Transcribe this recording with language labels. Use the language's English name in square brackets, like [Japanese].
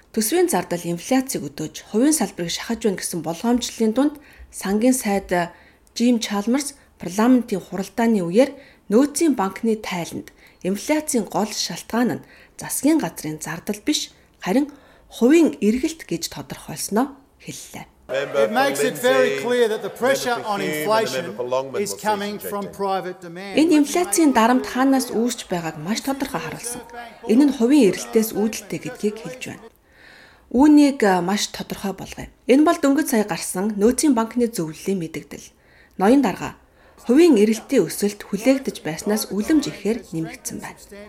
[Mongolian] Төсвийн зардал инфляцийг өдөөж, хувийн салбарыг шахаж байна гэсэн болгоомжлолын дунд сангийн сайд Джим Чалмарс парламентийн хуралдааны үеэр нөөцийн банкны тайланд инфляцийн гол шалтгаан нь засгийн газрын зардал биш, харин хувийн эргэлт гэж тодорхойлсноо хэллээ. [English] It makes it very clear that the pressure on inflation is coming from private demand. [Mongolian] Энэ инфляцийн дарамт хаанаас үүсч байгааг маш тодорхой харуулсан. Энэ нь хувийн эрэлтээс үүдэлтэй гэдгийг хэлж байна. Үүнийг маш тодорхой болгоё. Энэ бол дөнгөж сая гарсан нөөцийн банкны зөвлөлийн мэдээлэл. Ноён дарга хувийн эрэлтийн өсөлт хүлээгдэж байснаас үлэмж ихээр нэмэгдсэн байна.